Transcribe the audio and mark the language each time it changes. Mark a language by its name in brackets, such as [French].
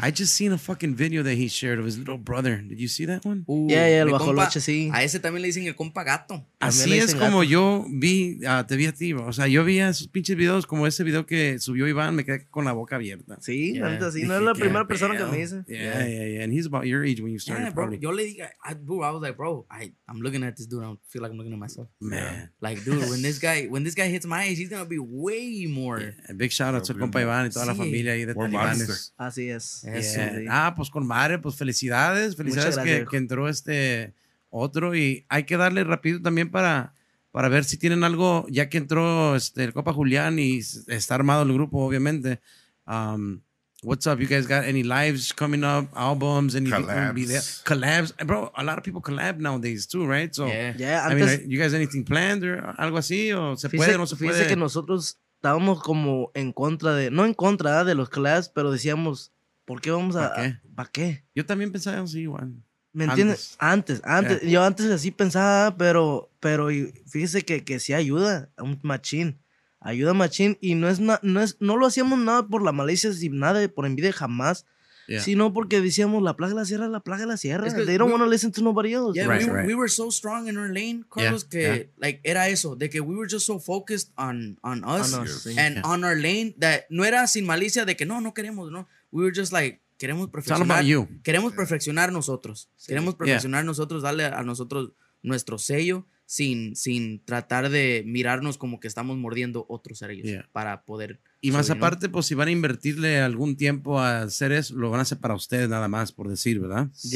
[English] I just seen a fucking video that he shared of his little brother. Did you see that one? [Spanish] El bajoloche, sí. A ese también le dicen el compa gato. Así es como yo vi, te vi a ti, bro. O sea, yo vi a esos pinches videos como ese video que subió Iván, me quedé con la boca abierta. Sí, yeah. Así, no es la primera persona que me dice. [English] Yeah. And he's about your age when you started. Yeah, bro, [Spanish] yo le dije, [English] I'm looking at this dude, I don't feel like I'm looking at myself. Man. Like, dude, when this guy hits my age, he's gonna be way more. [Spanish] Yeah. [English] Big shout out to [Spanish] compa Iván y toda la familia. Ahí de talibanes. Así es. Pues con madre, pues felicidades que entró otro y hay que darle rápido también para ver si tienen algo ya que entró el Copa Julián y está armado el grupo obviamente. [English] What's up, you guys got any lives coming up, albums, any collabs? Bro, a lot of people collab nowadays too, right? So yeah. I mean, you guys anything planned or [Spanish] algo así o se puede o no se puede? Fíjese que nosotros estábamos como en contra de, no en contra de los clubs, pero decíamos, ¿por qué vamos a? ¿Para qué? Yo también pensaba así, Juan. ¿Me entiendes? Antes. Yeah. Yo antes así pensaba, pero fíjese que sí ayuda a un machín. Ayuda a machín y no lo hacíamos nada por la malicia, ni nada por envidia jamás. Yeah. Sino porque decíamos, la plaga de la sierra es la plaga de la sierra. [English] They don't want to listen to nobody else. Yeah, we were so strong in our lane, Carlos, like, [Spanish] era eso, de que [English] we were just so focused on us and on our lane, that [Spanish] no era sin malicia, de que no queremos, no. [English] We were just like, [Spanish] queremos perfeccionar. [English] It's all about you. [Spanish] Queremos perfeccionar nosotros. Sí. Queremos perfeccionar nosotros, darle a nosotros nuestro sello sin tratar de mirarnos como que estamos mordiendo otros cerillos para poder. Y más aparte, pues si van a invertirle algún tiempo a hacer eso, lo van a hacer para ustedes nada más, por decir, ¿verdad?